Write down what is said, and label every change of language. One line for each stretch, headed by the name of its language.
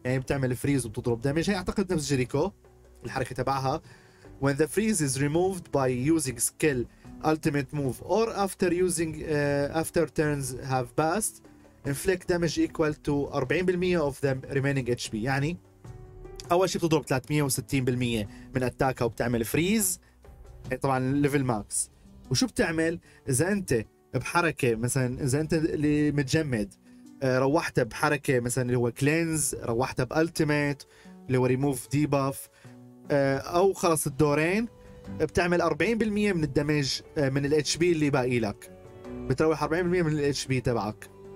Arabic: يعني بتعمل freeze وبتضرب damage. هي أعتقد نفس جيريكو الحركة تبعها.
English: When the freeze is removed by using skill ultimate move or after using after turns have passed inflict damage equal to 40% of the remaining HP.
Arabic: يعني اول شيء بتضرب 360% من اتاكها وبتعمل فريز، طبعا ليفل ماكس. وشو بتعمل اذا انت بحركه مثلا، اذا انت اللي متجمد روحت بحركه مثلا اللي هو كلينز، روحت بالتيميت اللي هو ريموف ديباف، او خلص الدورين، بتعمل 40% من الدمج من الاتش بي اللي باقي لك، بتروح 40% من الاتش بي تبعك.